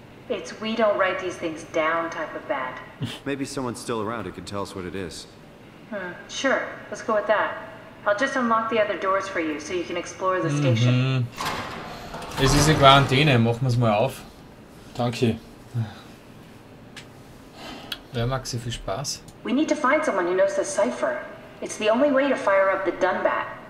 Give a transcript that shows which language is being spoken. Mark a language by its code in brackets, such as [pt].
[en] It's we don't write these things down type of bad. Maybe someone's still around who can tell us what it is. Sure, let's go with that. I'll just unlock the other doors for you, so you can explore the station. [de] Es ist eine Quarantäne, machen wir's mal auf. Danke. Ja, Maxi, viel Spaß. [en] We need to find someone who knows the cipher. It's the only way to fire up the Dunbat.